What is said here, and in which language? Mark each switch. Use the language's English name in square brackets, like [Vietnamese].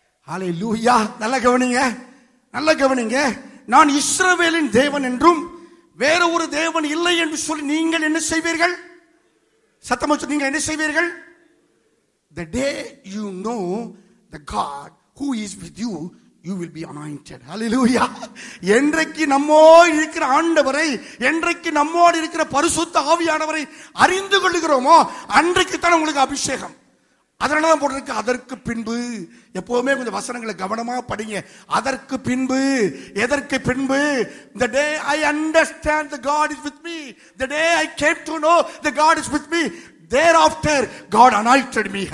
[Tamil] ஹல்லேலூயா, நல்ல கவனிங்க, நல்ல கவனிங்க. நான் இஸ்ரவேலின் தேவன் என்றும் வேற ஒரு தேவன் இல்லை என்று சொல்லி நீங்கள் என்ன செய்வீர்கள்? சத்தமா சொல்லுங்க, என்ன செய்வீர்கள்? [English] The day you know the God who is with you, you will be anointed. Hallelujah! [Tamil] என்றைக்கு நம்மோடு இருக்கிற ஆண்டவரை, என்றைக்கு நம்மோடு இருக்கிற பரிசுத்த ஆவியானவரை அறிந்து கொள்கிறோமோ அன்றைக்கு தான் உங்களுக்கு அபிஷேகம். அதனாலதான் போட்டிருக்கு அதற்கு பின்பு. எப்பவுமே கொஞ்சம் வசனங்களை கவனமா படிங்க. அதற்கு பின்பு, எதற்கு பின்பு? [English] The day I understand the God is with me, the day I came to know the God is with me, thereafter God anointed me.